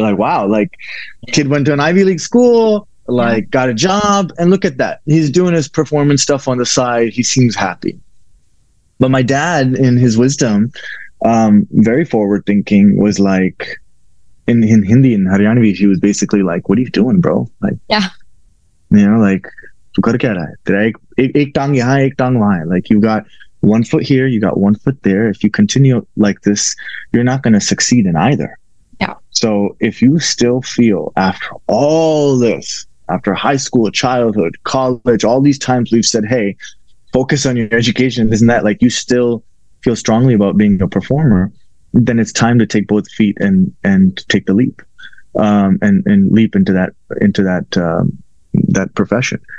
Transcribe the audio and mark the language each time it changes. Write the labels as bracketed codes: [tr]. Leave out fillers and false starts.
[en] Like, wow, like, kid went to an Ivy League school, like, yeah. Got a job, and look at that. He's doing his performance stuff on the side. He seems happy. But my dad, in his wisdom, very forward thinking, was like, in Hindi, in Haryanvi, he was basically like, what are you doing, bro? Like, yeah. You know, like, [hi] कर क्या रहा है? एक टांग यहाँ, एक टांग वहाँ. [en] Like, you got one foot here, you got one foot there. If you continue like this, you're not going to succeed in either. Yeah. So if you still feel after all this, after high school, childhood, college, all these times we've said, hey, focus on your education, isn't that like you still feel strongly about being a performer, then it's time to take both feet and take the leap, and leap into that profession.